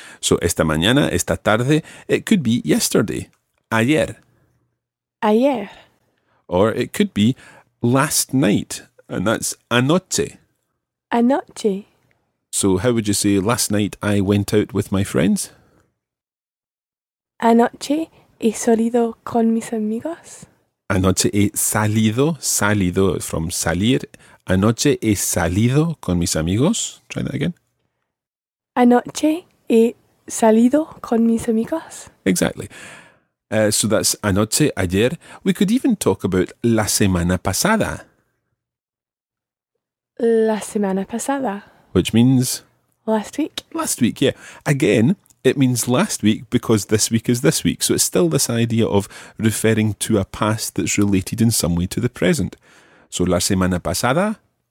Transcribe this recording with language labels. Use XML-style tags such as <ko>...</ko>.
<en>So,</en> <es>esta mañana, esta tarde,</es> <en>it could be yesterday, ayer.</en> <es>Ayer.</es> <en>Or it could be last night, and that's anoche.</en> <es>Anoche.</es> <en>So, how would you say, last night I went out with my friends?</en> <es>Anoche he salido con mis amigos. Anoche he salido, salido from salir. Anoche he salido con mis amigos.</es> <en>Try that again.</en> <es>Anoche he salido con mis amigos.</es> <en>Exactly. So that's anoche, ayer. We could even talk about</en> <es>la semana pasada. La semana pasada.</es> <en>Which means? Last week. Last week, yeah. Again, it means last week because this week is this week. So it's still this idea of referring to a past that's related in some way to the present. So</en> <es>la semana pasada,</es>